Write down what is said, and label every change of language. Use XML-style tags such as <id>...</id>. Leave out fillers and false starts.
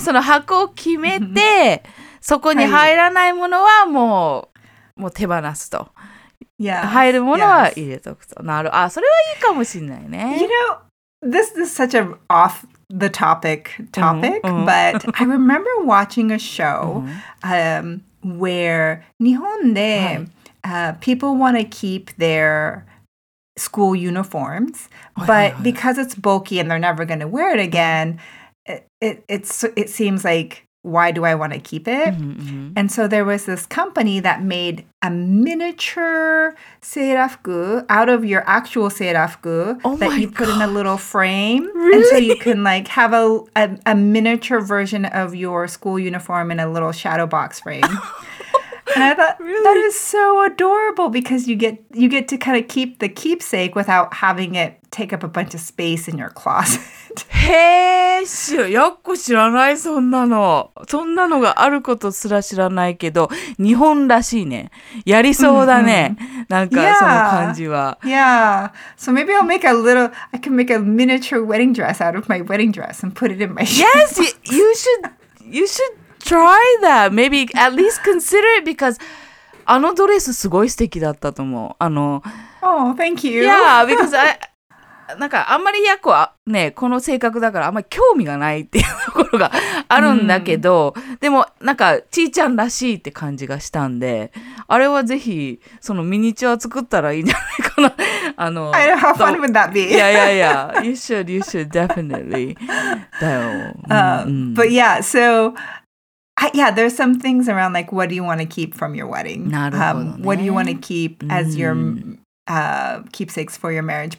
<ja>その箱を決めてそこに入らないものはもう手放すと。</ja> <en>Yes,</en> <ja>入るものは入れとくと。なる。あ、それはいいかもしれないね。</ja> <en>You know, this is such an off the topic, mm-hmm. but I remember watching a show mm-hmm. Where</en> <ja>日本で、</ja> <en>people want to keep their school uniforms, but because it's bulky and they're never going to wear it again, it seems like, why do I want to keep it? Mm-hmm, mm-hmm. And so there was this company that made a miniature seirafuku out of your actual seirafuku that you put in a little frame. Really? And so you can like have a miniature version of your school uniform in a little shadow box frame. And I thought, really? That is so adorable because you get to kind of keep the keepsake without having it take up a bunch of space in your closet.</en> <ja>へー、やっこ知らない、そんなの。そんなのがあることすら知らないけど、日本らしいね。やりそうだね。なんかその感じは。</ja> <en>Yeah. So maybe I'll make I can make a miniature wedding dress out of my wedding dress and put it in my shoebox. Yes, you should try that. Maybe at least consider it because</en> <ja>あのドレスすごい素敵だったと思う。あの、</ja> <en>Oh, thank you. Yeah, because</en> <ja>なんかあんまりやっこはね、この性格だからあんまり興味がないっていうところがあるんだけど、でもなんかちーちゃんらしいって感じがしたんで、あれはぜひそのミニチュア作ったらいいんじゃないかな。あの、</ja> <en>I don't know how fun would that be? Yeah, yeah, yeah. You should definitely.</en> <ja>だよ。</ja> <en>But yeah, so... Yeah, there's some things around like, what do you want to keep from your wedding? What do you want to keep as your keepsakes for your marriage?</en>